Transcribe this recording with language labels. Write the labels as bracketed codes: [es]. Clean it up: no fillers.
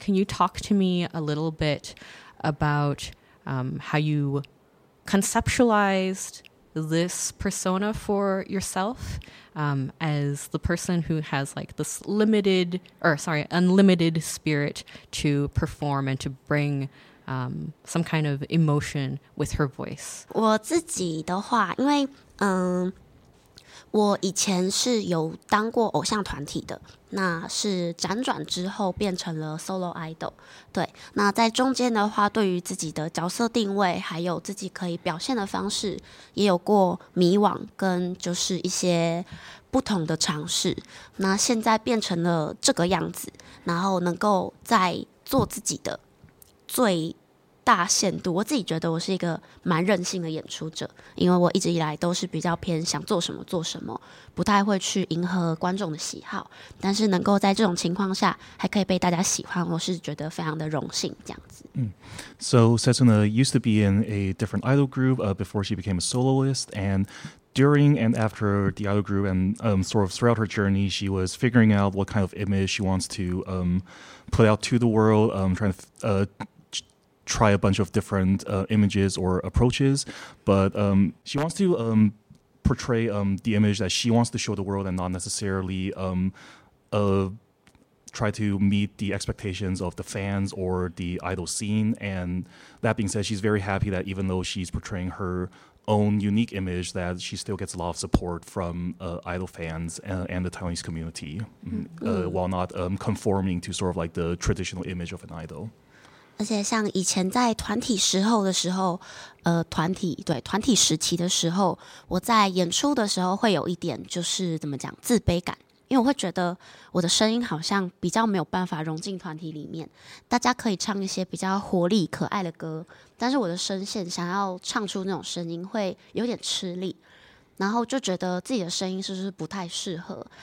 [en] Can you talk to me a little bit about how you conceptualized this persona for yourself as the person who has like this unlimited spirit to perform and to bring some kind of emotion with her voice? [zh] 我自己的话，因为我以前是有当过偶像团体的，那是辗转之后变成了 solo idol。对，那在中间的话，对于自己的角色定位，还有自己可以表现的方式，也有过迷惘跟就是一些不同的尝试。那现在变成了这个样子，然后能够在做自己的最大限度，我自己觉得我是一个蛮任性的演出者，因为我一直以来都是比较偏想做什么做什么，不太会去迎合观众的喜好，但是能够在这种情况下还可以被大家喜欢，我是觉得非常的荣幸这样子。 [en] So Setsuna used to be in a different idol group before she became a soloist, and during and after the idol group and sort of throughout her journey, she was figuring out what kind of image she wants to put out to the world, trying to try a bunch of different images or approaches, but she wants to portray the image that she wants to show the world and not necessarily try to meet the expectations of the fans or the idol scene. And that being said, she's very happy that even though she's portraying her own unique image, that she still gets a lot of support from idol fans and the Taiwanese community, while not conforming to sort of like the traditional image of an idol. [zh] 而且像以前在团体时候的时候，团体时期的时候，我在演出的时候会有一点就是怎么讲自卑感，因为我会觉得我的声音好像比较没有办法融进团体里面，大家可以唱一些比较活力可爱的歌，但是我的声线想要唱出那种声音会有点吃力，然后就觉得自己的声音是不是不太适合。